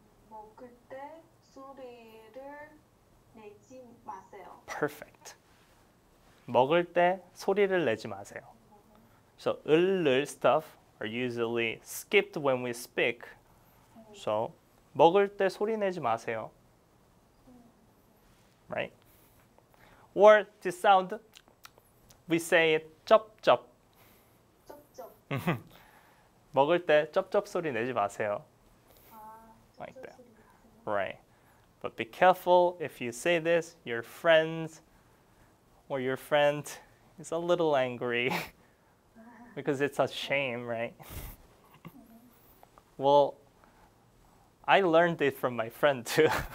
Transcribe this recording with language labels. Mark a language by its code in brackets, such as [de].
[ko] 먹을 때 소리를 내지 마세요. [en] Perfect. [ko] 먹을 때 소리를 내지 마세요. [en] So 을 stuff are usually skipped when we speak. [ko] So 먹을 때 소리 내지 마세요. [en] Right? Or the sound, we say it 쩝쩝. [ko] 쩝쩝. 먹을 때 쩝쩝 소리 내지 마세요. [en] 아, like that. Right. But be careful if you say this, your friends or your friend is a little angry because it's a shame, right? Well, I learned it from my friend too.